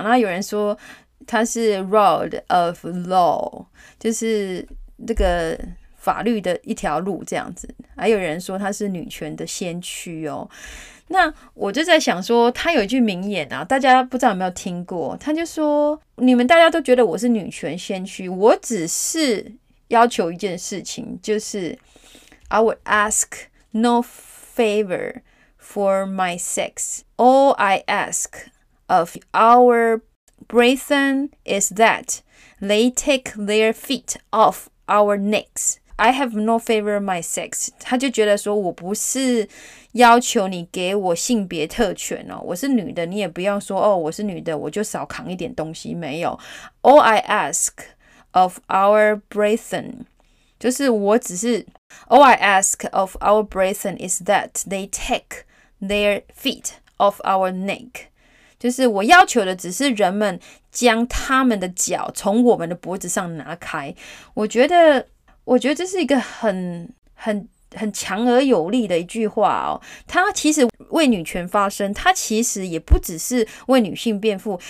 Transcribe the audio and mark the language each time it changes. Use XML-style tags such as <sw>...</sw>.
<zh>然后有人说他是</zh> <en>rod of law，</en> <zh>就是这个法律的一条路这样子。还有人说他是女权的先驱哦。那我就在想说，他有一句名言啊，大家不知道有没有听过？他就说：“你们大家都觉得我是女权先驱，我只是要求一件事情，就是。”</zh> <en>I would ask no favor for my sex. All I ask of our brethren is that they take their feet off our necks. I have no favor my sex.</en> <zh>他就觉得说我不是要求你给我性别特权哦，我是女的，你也不要说哦，我是女的，我就少扛一点东西，没有。</zh> <en>All I ask of our brethren</en> <zh>就是我只是</zh> <en>All I ask of our brethren is that they take their feet off our neck.</en> <zh>就是我要求的只是人们将他们的脚从我们的脖子上拿开。我觉得这是一个很强而有力的一句话哦。他其实为女权发声，他其实也不只是为女性辩护。</zh>